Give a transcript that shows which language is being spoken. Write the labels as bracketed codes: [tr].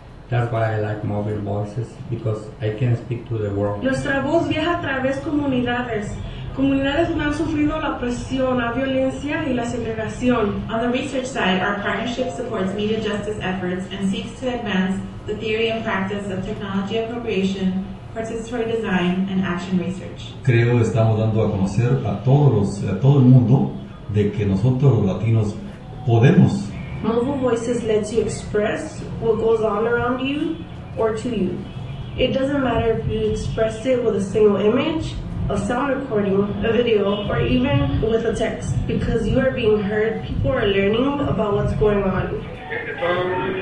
[en] That's why I like mobile voices, because I can speak to the world. [es] Nuestra voz viaja a través comunidades. Comunidades donde han sufrido la opresión, la violencia y la segregación. [en] On the research side, our partnership supports media justice efforts and seeks to advance the theory and practice of technology appropriation, participatory design, and action research. [es] Creo que estamos dando a conocer a todo el mundo de que nosotros los latinos podemos. [en] Mobile voices let you express what goes on around you or to you. It doesn't matter if you express it with a single image, a sound recording, a video, or even with a text. Because you are being heard, people are learning about what's going on.